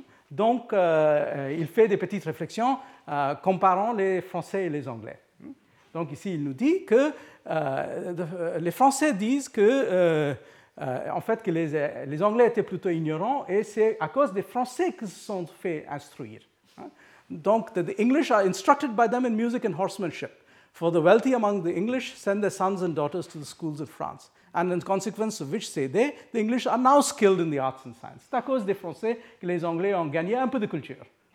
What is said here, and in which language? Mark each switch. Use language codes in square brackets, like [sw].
[fr] Donc, il fait des petites réflexions comparant les Français et les Anglais. Donc, ici, il nous dit que les Français disent que, en fait, que les Anglais étaient plutôt ignorants, et c'est à cause des Français qu'ils se sont fait instruire. [en] Donc, the English are instructed by them in music and horsemanship. For the wealthy among the English send their sons and daughters to the schools in France. And in consequence of which, say they, the English are now skilled in the arts and science. [fr] C'est à cause des Français que les Anglais ont gagné un peu de culture.